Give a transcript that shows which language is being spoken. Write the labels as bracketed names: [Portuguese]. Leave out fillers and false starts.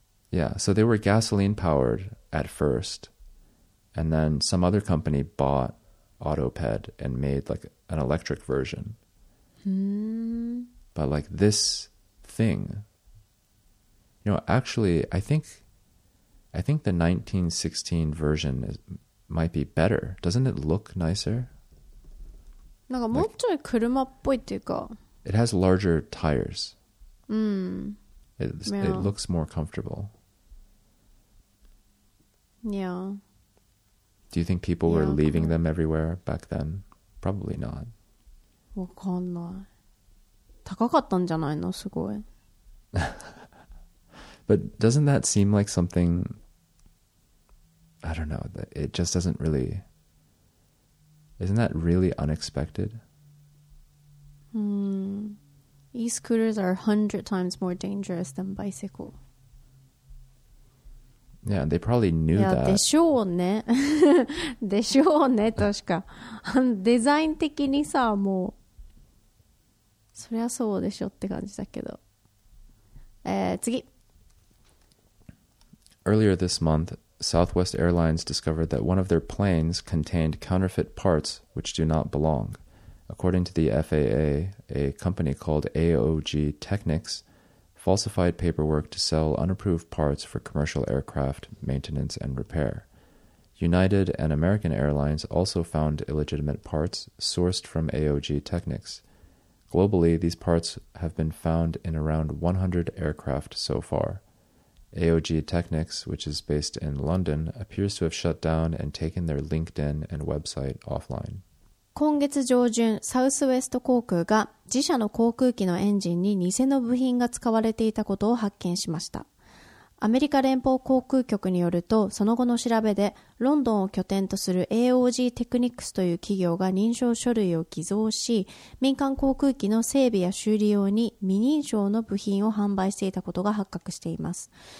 [English] Yeah, so they were gasoline powered at first. And then some other company bought Autoped and made like an electric version. But like this thing, you know, actually, I think the 1916 version might be better. Doesn't it look nicer? [Japanese] なんかもうちょい車っぽいっていうか。 [English] It has larger tires. Yeah. It looks more comfortable. Yeah. Do you think people were leaving them everywhere back then? Probably not. [Japanese] わかんない。高かったんじゃないの？すごい。 [English] But doesn't that seem like something... I don't know. It just doesn't really... Isn't that really unexpected? E-scooters are 100 times more dangerous than bicycle. Yeah, they probably knew [Japanese] that. でしょうね。でしょうね、確か。デザイン的にさ、もう、そりゃそうでしょって感じだけど。次。 [English] Earlier this month, Southwest Airlines discovered that one of their planes contained counterfeit parts which do not belong. According to the FAA, a company called AOG Technics falsified paperwork to sell unapproved parts for commercial aircraft maintenance and repair. United and American Airlines also found illegitimate parts sourced from AOG Technics. Globally, these parts have been found in around 100 aircraft so far. AOG Technics, which is based in London, appears to have shut down and taken their LinkedIn and website offline. [Japanese] 今月上旬、サウスウェスト航空が自社の航空機のエンジンに偽の部品が使われていたことを発見しました。アメリカ連邦航空局によると、その後の調べで、ロンドンを拠点とする AOG Technics という企業が認証書類を偽造し、民間航空機の整備や修理用に未認証の部品を販売していたことが発覚しています。